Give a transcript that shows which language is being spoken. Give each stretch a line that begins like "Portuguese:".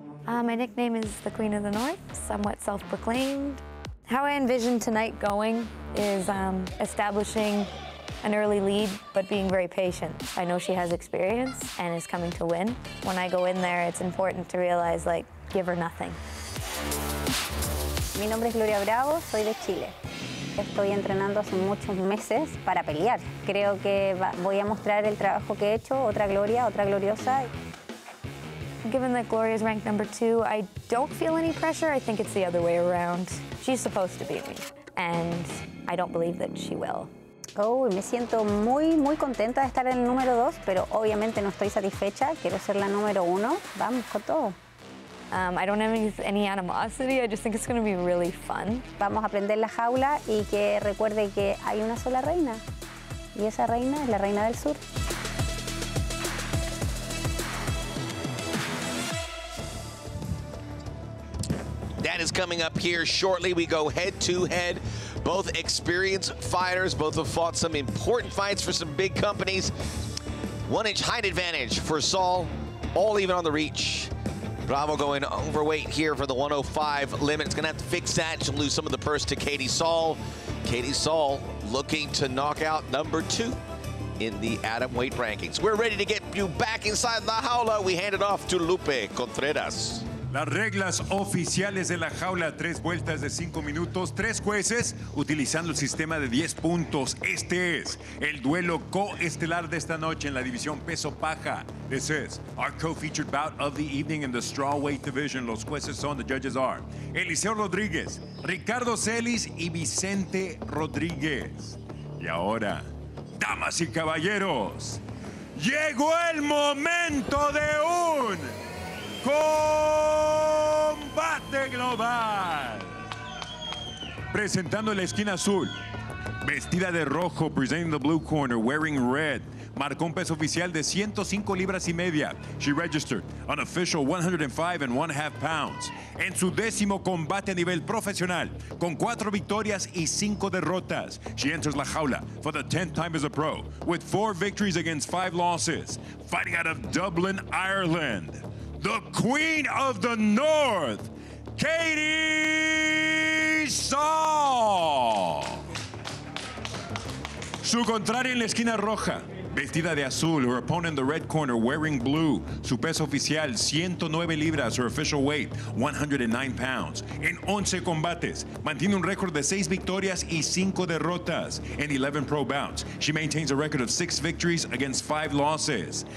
English: My nickname is the Queen of the North, somewhat self-proclaimed. How I envision tonight going is establishing an early lead, but being very patient. I know she has experience and is coming to win. When I go in there, it's important to realize, like, give her nothing.
Spanish: Mi nombre es Gloria Bravo, soy de Chile. Estoy entrenando hace muchos meses para pelear. Creo que voy a mostrar el trabajo que he hecho, otra Gloria, otra gloriosa.
English: Given that Gloria is ranked number 2, I don't feel any pressure. I think it's the other way around. She's supposed to beat me, and I don't believe that she will.
Spanish: Oh, me siento muy, muy contenta de estar en el número 2, pero obviamente no estoy satisfecha. Quiero ser la número 1. Vamos con todo.
English: I don't have any animosity. I just think it's going to be really fun.
Spanish: Vamos a aprender la jaula y que recuerde que hay una sola reina. Y esa reina es la reina del sur.
English: That is coming up here shortly. We go head to head. Both experienced fighters, both have fought some important fights for some big companies. 1-inch height advantage for Saul, all even on the reach. Bravo going overweight here for the 105 limit. It's gonna have to fix that. She'll lose some of the purse to Katie Saul. Katie Saul looking to knock out number 2 in the atom weight rankings. We're ready to get you back inside La Jaula. We hand it off to Lupe Contreras.
Spanish: Las reglas oficiales de la jaula, 3 vueltas de 5 minutos, 3 jueces utilizando el sistema de 10 puntos. Este es el duelo coestelar de esta noche en la división peso paja.
English: This is our co-featured bout of the evening in the strawweight division.
Spanish: Los jueces son,
English: the judges are,
Spanish: Eliseo Rodríguez, Ricardo Celis y Vicente Rodríguez. Y ahora, damas y caballeros, llegó el momento de un... Combate Global. Presentando la esquina azul, vestida de rojo,
English: presenting the blue corner, wearing red,
Spanish: marcó un peso oficial de 105 libras y media.
English: She registered an official 105 and one half pounds.
Spanish: En su décimo combate a nivel profesional, con 4 victorias y 5 derrotas,
English: she enters la jaula for the 10th time as a pro, with 4 victories against 5 losses, fighting out of Dublin, Ireland. The Queen of the North, Katie Saull.
Spanish: Su contraria en la esquina roja, vestida de azul.
English: Her opponent in the red corner, wearing blue.
Spanish: Su peso oficial, 109 libras.
English: Her official weight, 109 pounds.
Spanish: En 11 combates, mantiene un récord de 6 victorias y 5 derrotas.
English: En 11 pro bouts, she maintains a record of 6 victories against 5 losses.